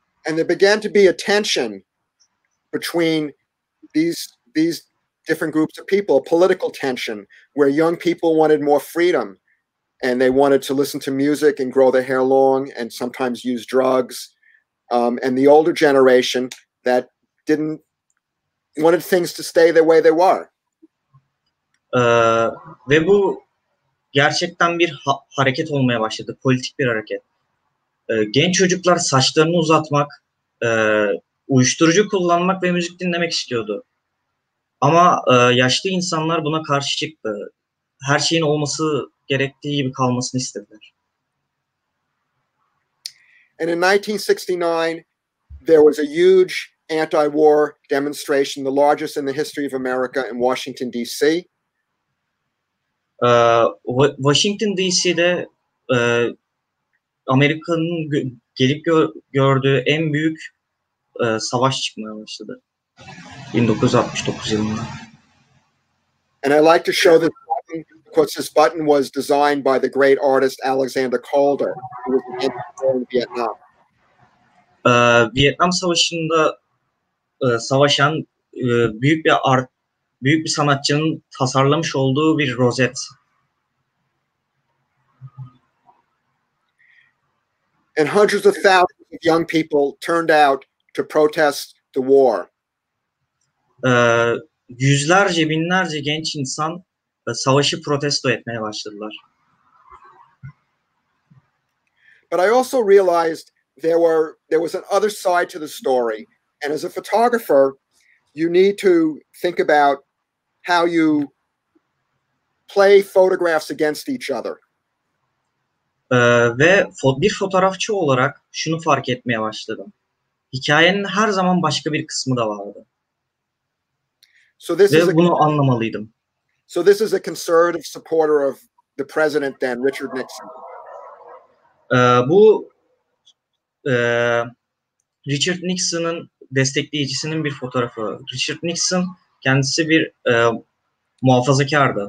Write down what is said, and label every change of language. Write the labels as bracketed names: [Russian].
[English] And there began to be a tension between these different groups of people, a political tension, where young people wanted more freedom and they wanted to listen to music and grow their hair long and sometimes use drugs. And the older generation that didn't wanted things to stay the way they were. [Turkish] Ve bu gerçekten bir hareket olmaya başladı, politik bir hareket. Genç çocuklar saçlarını uzatmak, uyuşturucu kullanmak ve müzik dinlemek istiyordu. Ama yaşlı insanlar buna karşı çıktı. Her şeyin olması gerektiği gibi kalmasını istediler. [English] And in 1969, there was a huge anti-war demonstration, the largest in the history of America in Washington, D.C. [Turkish] Washington, D.C.'de Amerika'nın gelip gördüğü en büyük savaş çıkmaya başladı. 1969 yılında. [English] And I like to show this button, because this button was designed by the great artist Alexander Calder, who was an anti-war in Vietnam. [Turkish] Vietnam Savaşı'nda savaşan büyük bir art, büyük bir sanatçının tasarlamış olduğu bir rozet. [English] And hundreds of thousands of young people turned out to protest the war. [Turkish] Yüzlerce, binlerce genç insan savaşı protesto etmeye başladılar. [English] But I also realized there was an other side to the story, and as a photographer, you need to think about how you play photographs against each other. [Turkish] Ve bir fotoğrafçı olarak şunu fark etmeye başladım. Hikayenin her zaman başka bir kısmı da vardı. [English] So this [Turkish] ve [English] is [Turkish] bunu anlamalıydım. [English] So this is a conservative supporter of the president then, Richard Nixon. [Turkish] Richard Nixon'ın destekleyicisinin bir fotoğrafı. Richard Nixon kendisi bir muhafazakardı.